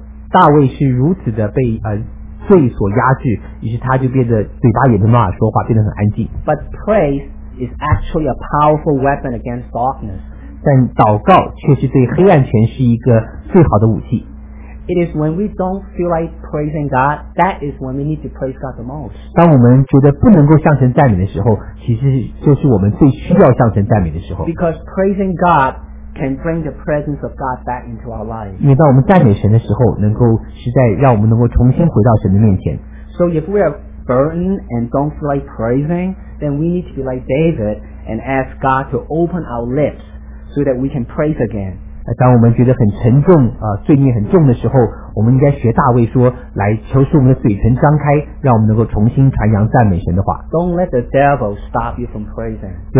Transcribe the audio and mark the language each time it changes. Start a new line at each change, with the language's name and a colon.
Chinese: 大卫是如此的被罪所压制，于是他就变得嘴巴也没办法说话，变得很安静。
English: But praise is actually a powerful weapon against darkness.
Chinese: 但祷告却是对黑暗权是一个最好的武器。
English: It is when we don't feel like praising God, that is when we need to praise God the most.
Chinese: 当我们觉得不能够向神赞美的时候，其实就是我们最需要向神赞美的时候。
English: Because praising God can bring the presence of God back into our lives.
Chinese: 因为当我们赞美神的时候，能够实在让我们能够重新回到神的面前。
English: So if we are burdened and don't feel like praising, then we need to be like David and ask God to open our lips. So that we can praise again.
Chinese: 当我们觉得很沉重，罪孽很重的时候，我们应该学大卫说，来求使我们的嘴唇张开，让我们能够重新传扬赞美神的话。
English: Don't let the devil stop you from praising.